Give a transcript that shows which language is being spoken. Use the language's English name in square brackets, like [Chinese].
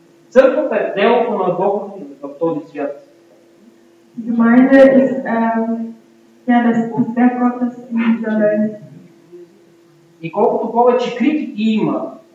[Bulgarian] Църквата е делото на Бог в този свят. [German] Die Gemeinde ist das Werk Gottes in dieser Welt. [Bulgarian] И колкото повече критики има,